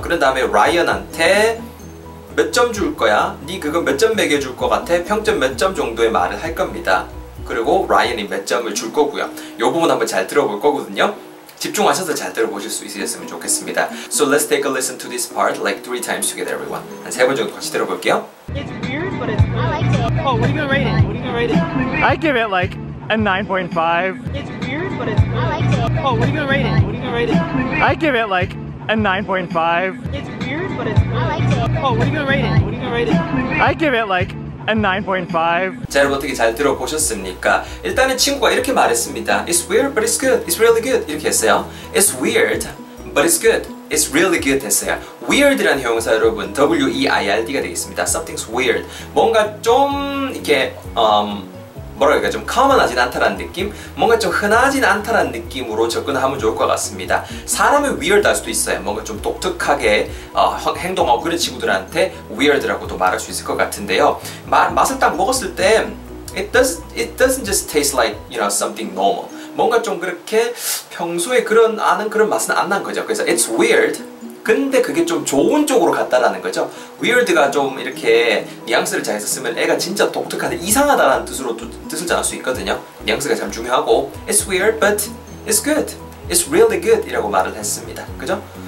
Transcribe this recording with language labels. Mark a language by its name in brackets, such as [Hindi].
[Korean] 그런 다음에 라이언한테 몇 점 줄 거야? 네 그거 몇 점 매겨줄 것 같아? 평점 몇 점 정도의 말을 할 겁니다. 그리고 라이언이 몇 점을 줄 거고요. 이 부분 한번 잘 들어볼 거거든요. 집중하셔서 잘 들어보실 수 있으셨으면 좋겠습니다. [English] So let's take a listen to this part like three times together, everyone. [Korean] 한 세 번 정도 같이 들어볼게요. [English] It's weird, but it's good. I like it. Oh, what are you gonna rate it? I give it like a 9.5. It's weird, but it's good. I like it. Oh, what are you gonna rate it? I give it like a 9.5. It's weird, but it's good. I like it. Oh, what are you gonna rate it? I give it like a 9.5. [Korean] 자, 여러분 어떻게 잘 들어보셨습니까? 일단은 친구가 이렇게 말했습니다. [English] It's weird, but it's good. It's really good. [Korean] 이렇게 했어요. [English] It's weird, but it's good. It's really good [Korean] 했어요. [English] Weird라는 [Korean] 형용사 여러분, [English] W-E-I-R-D가 [Korean] 되겠습니다. [English] Something's weird. [Korean] 뭔가 좀 이렇게 뭐라 그럴까, 좀 common하진 않다라는 느낌? 뭔가 좀 흔하진 않다라는 느낌으로 접근하면 좋을 것 같습니다. 사람이 weird 할 수도 있어요. 뭔가 좀 독특하게 행동하고 그런 친구들한테 weird라고도 말할 수 있을 것 같은데요. 맛을 딱 먹었을 때 [English] it doesn't just taste like, you know, something normal. [Korean] 뭔가 좀 그렇게 평소에 그런 아는 그런 맛은 안 난 거죠. 그래서 [English] it's weird. [Korean] 근데 그게 좀 좋은 쪽으로 갔다라는 거죠. Weird가 좀 이렇게 뉘앙스를 잘 썼으면 애가 진짜 독특한데 이상하다라는 뜻으로 뜻을 전할 수 있거든요. 뉘앙스가 참 중요하고 [English] It's weird, but it's good. It's really good [Korean] 이라고 말을 했습니다. 그죠?